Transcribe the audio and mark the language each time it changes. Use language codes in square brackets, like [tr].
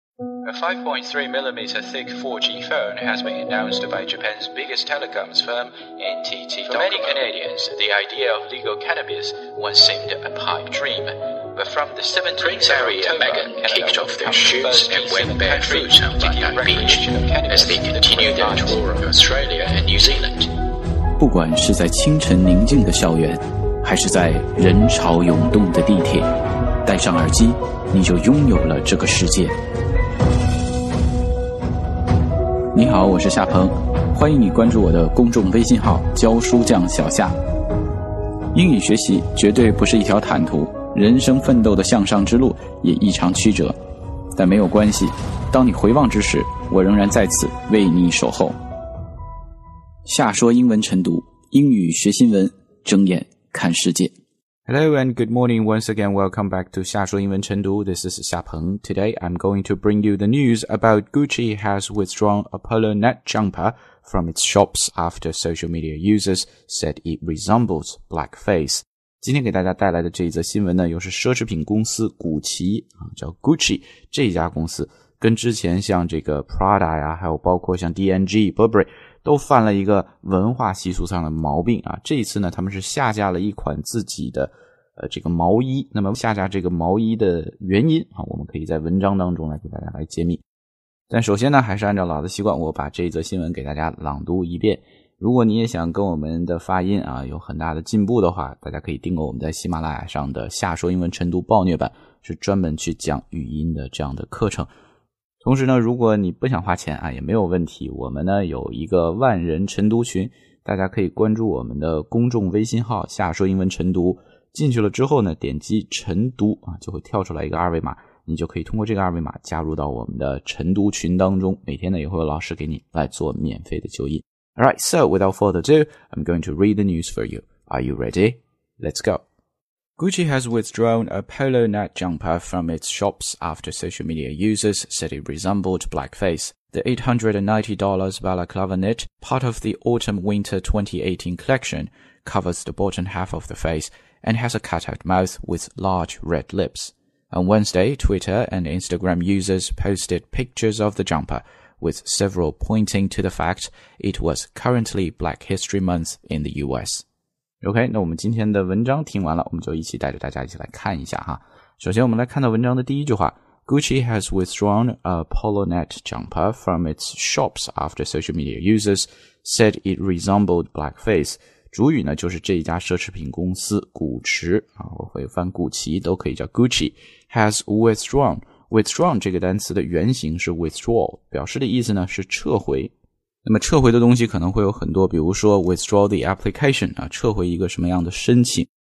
[en] A 5.3mm thick 4G phone has been announced by Japan's biggest telecoms firm, NTT Docomo. For many Canadians, the idea of legal cannabis once seemed a pipe dream. But from the 17th of October, Megan kicked off their shoots and went barefoot on Bondi Beach as they continued their tour of Australia and New Zealand. [zh] 不管是在清晨宁静的校园，还是在人潮涌动的地铁，戴上耳机，你就拥有了这个世界。你好，我是夏鹏，欢迎你关注我的公众微信号教书匠小夏。英语学习绝对不是一条坦途，人生奋斗的向上之路也异常曲折，但没有关系，当你回望之时，我仍然在此为你守候。夏说英文晨读，英语学新闻，睁眼看世界。 [en] Hello and good morning once again. Welcome back to 夏说英文晨读. This is 夏鹏. Today, I'm going to bring you the news about Gucci has withdrawn a polo neck jumper from its shops after social media users said it resembles blackface. [zh] 今天给大家带来的这一则新闻呢，又是奢侈品公司古奇，叫 Gucci 这家公司，跟之前像这个 Prada 呀，还有包括像 DNG Burberry都犯了一个文化习俗上的毛病啊。这一次呢，他们是下架了一款自己的这个毛衣。那么下架这个毛衣的原因啊，我们可以在文章当中来给大家来揭秘。但首先呢，还是按照老的习惯，我把这一则新闻给大家朗读一遍。如果你也想跟我们的发音啊有很大的进步的话，大家可以订购我们在喜马拉雅上的夏说英文晨读暴虐版，是专门去讲语音的这样的课程。同时呢，如果你不想花钱啊，也没有问题，我们呢有一个万人晨读群，大家可以关注我们的公众微信号夏说英文晨读，进去了之后呢，点击晨读啊，就会跳出来一个二维码，你就可以通过这个二维码加入到我们的晨读群当中，每天呢也会有老师给你来做免费的纠音。 [en] Alright, so without further ado, I'm going to read the news for you. Are you ready? Let's goGucci has withdrawn a polo neck jumper from its shops after social media users said it resembled blackface. The $890 balaclava knit, part of the autumn-winter 2018 collection, covers the bottom half of the face and has a cut-out mouth with large red lips. On Wednesday, Twitter and Instagram users posted pictures of the jumper, with several pointing to the fact it was currently Black History Month in the US. [zh] OK, 那我们今天的文章听完了，我们就一起带着大家一起来看一下哈。首先我们来看到文章的第一句话， [en] Gucci has withdrawn a polo neck jumper from its shops after social media users said it resembled blackface. [zh] 主语呢就是这一家奢侈品公司古驰，我会翻古奇都可以叫 Gucci, [en] has withdrawn. [zh] Withdrawn 这个单词的原型是 withdraw, 表示的意思呢是撤回。那么撤回的东西可能会有很多，比如说 [en] withdraw the application, [zh] 啊，撤回一个什么样的申请。